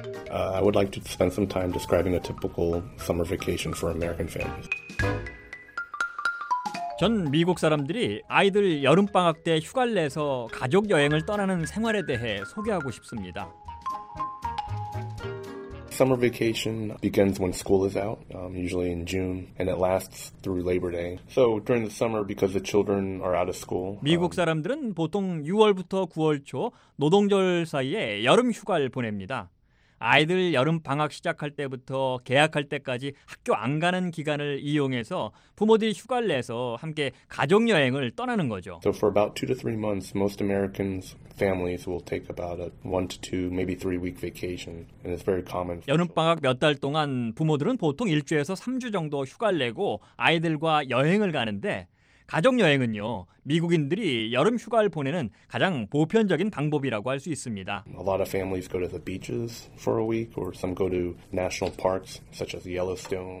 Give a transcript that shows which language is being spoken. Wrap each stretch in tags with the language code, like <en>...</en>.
<en>I would like to spend some time describing a typical summer vacation for American families.</en> <ko>전 미국 사람들이 아이들 여름방학 때 휴가를 내서 가족 여행을 떠나는 생활에 대해 소개하고 싶습니다.</ko> <en>Summer vacation begins when school is out, usually in June, and it lasts through Labor Day. So during the summer, because the children are out of school,</en> <ko>미국 사람들은 보통 6월부터 9월 초 노동절 사이에 여름 휴가를 보냅니다. 아이들 여름 방학 시작할 때부터 개학할 때까지 학교 안 가는 기간을 이용해서 부모들이 휴가를 내서 함께 가족 여행을 떠나는 거죠.</ko> <en>So for about 2 to 3 months, most Americans families will take about a 1 to 2, maybe 3 week vacation, and it's very common.</en> <ko>여름 방학 몇 달 동안 부모들은 보통 일주에서 3주 정도 휴가를 내고 아이들과 여행을 가는데. 가족 여행은요. 미국인들이 여름 휴가를 보내는 가장 보편적인 방법이라고 할 수 있습니다.</ko> <en>A lot of families go to the beaches for a week or some go to national parks such as Yellowstone.</en>